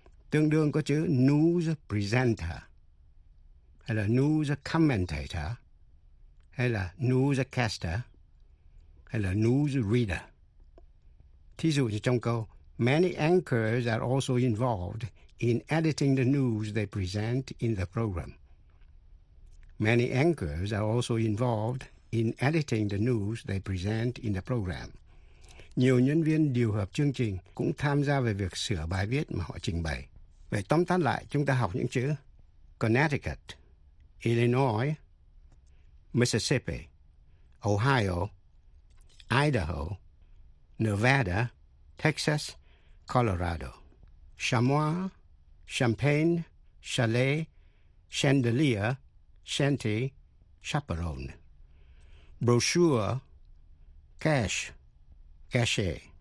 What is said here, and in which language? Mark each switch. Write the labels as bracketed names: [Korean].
[Vietnamese] Tương đương có chữ news presenter, hay là news commentator, hay là newscaster, hay là news reader. Thí dụ như trong câu, [English] many anchors are also involved in editing the news they present in the program. Many anchors are also involved in editing the news they present in the program. [Vietnamese] Nhiều nhân viên điều hợp chương trình cũng tham gia về việc sửa bài viết mà họ trình bày. Vậy tóm tắt lại, chúng ta học những chữ Connecticut, Illinois, Mississippi, Ohio, Idaho, Nevada, Texas, Colorado, Chamois, Champagne, Chalet, Chandelier, Shanty, Chaperone, Brochure, Cash, Cachet,